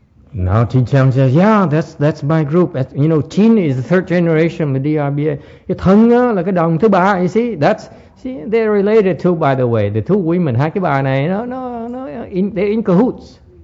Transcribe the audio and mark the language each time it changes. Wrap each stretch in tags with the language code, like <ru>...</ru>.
<en>Now Chin Chang says, yeah, that's my group. You know, Chin is the third generation of the DRBA.</en> <vi>Thân là cái đồng thứ ba,</vi> <en>you see? See, they're related to, by the way, the two women,</en> <vi>hai cái bà này,</vi> <en>no, they're in cahoots.</en>